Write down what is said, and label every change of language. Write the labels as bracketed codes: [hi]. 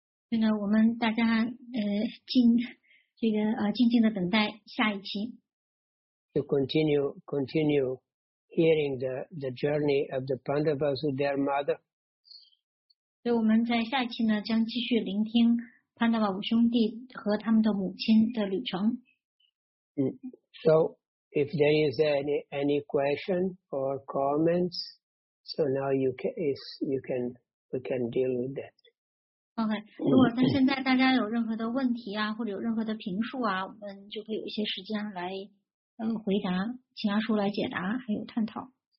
[zh] 所以呢，我们大家静静的等待下一期。 [en] To continue. Hearing the journey of the Pandavas with their mother. [zh] 所以我们在下一期呢，将继续聆听 Pandava 五兄弟和他们的母亲的旅程。 [en] So if there is any question or comments, so now we can deal with that. Okay. [zh] 如果在现在大家有任何的问题啊，或者有任何的评述啊，我们就可以有一些时间来。回答，请阿叔来解答，还有探讨。